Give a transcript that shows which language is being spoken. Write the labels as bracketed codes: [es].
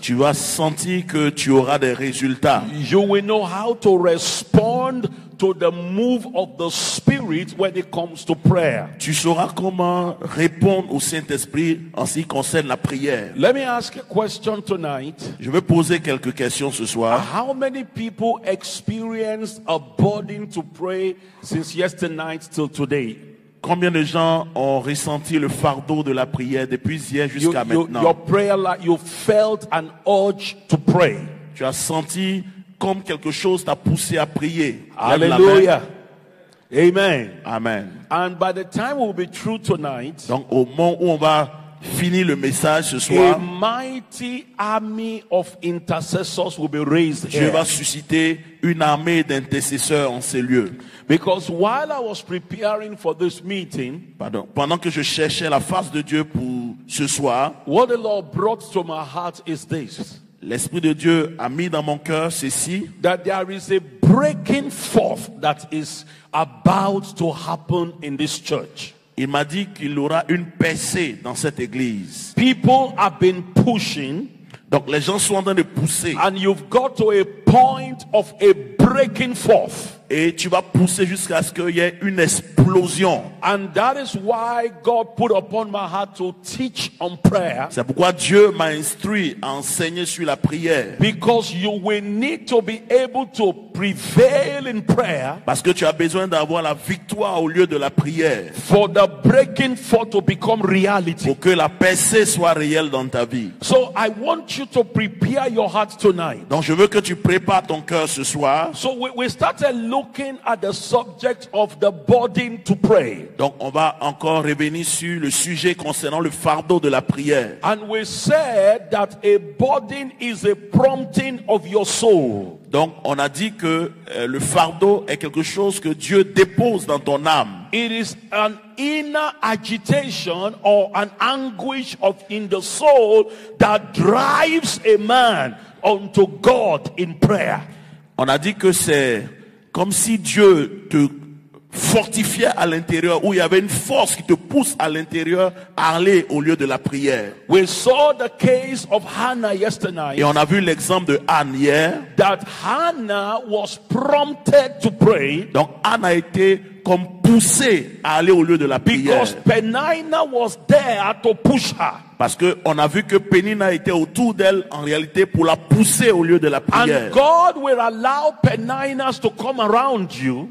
[fr] Tu vas sentir que tu auras des résultats. [en] You will know how to respond to the move of the Spirit when it comes to prayer. [fr] Tu sauras comment répondre au Saint-Esprit en ce qui concerne la prière. [en] Let me ask a question tonight. [fr] Je vais poser quelques questions ce soir. [en] How many people experienced a burden to pray since yesterday night till today? [fr] Combien de gens ont ressenti le fardeau de la prière depuis hier jusqu'à maintenant? [en] Your prayer life, you felt an urge to pray. [fr] Tu as senti comme quelque chose t'a poussé à prier. Alléluia. Amen. Amen. [en] And by the time we'll be through tonight, [fr] donc au moment où on va finir le message ce soir, [en] a mighty army of intercessors will be raised. [fr] Dieu va susciter une armée d'intercesseurs en ces lieux. [en] Because while I was preparing for this meeting, [fr] pardon, pendant que je cherchais la face de Dieu pour ce soir, [en] what the Lord brought to my heart is this. [fr] L'Esprit de Dieu a mis dans mon cœur ceci. [en] That there is a breaking forth that is about to happen in this church. [fr] Il m'a dit qu'il y aura une percée dans cette église. [en] People have been pushing. [fr] Donc les gens sont en train de pousser. [en] And you've got to a point of a breaking forth. [fr] Et tu vas pousser jusqu'à ce qu'il y ait une explosion. [en] And that is why God put upon my heart to teach on prayer. [fr] C'est pourquoi Dieu m'a instruit à enseigner sur la prière. [en] Because you will need to be able to prevail in prayer. [fr] Parce que tu as besoin d'avoir la victoire au lieu de la prière. [en] For the breaking forth to become reality. [fr] Pour que la percée soit réelle dans ta vie. [en] So I want you to prepare your heart tonight. [fr] Donc je veux que tu prépares ton cœur ce soir. [en] So we started looking at the subject of the burden to pray. [fr] Donc on va encore revenir sur le sujet concernant le fardeau de la prière. [en] And we said that a burden is a prompting of your soul. [fr] Donc, on a dit que le fardeau est quelque chose que Dieu dépose dans ton âme. [en] It is an inner agitation or an anguish of in the soul that drives a man unto God in prayer. [fr] On a dit que c'est comme si Dieu te fortifiait à l'intérieur, où il y avait une force qui te pousse à l'intérieur à aller au lieu de la prière. [en] We saw the case of Hannah yesterday. [fr] Et on a vu l'exemple de Anne hier. [en] That Hannah was prompted to pray. [fr] Donc Anne a été comme poussée à aller au lieu de la prière. [en] Because Penina was there to push her. [fr] Parce que on a vu que Penina était autour d'elle en réalité pour la pousser au lieu de la prière. [en] And God will allow Peninas to come around you.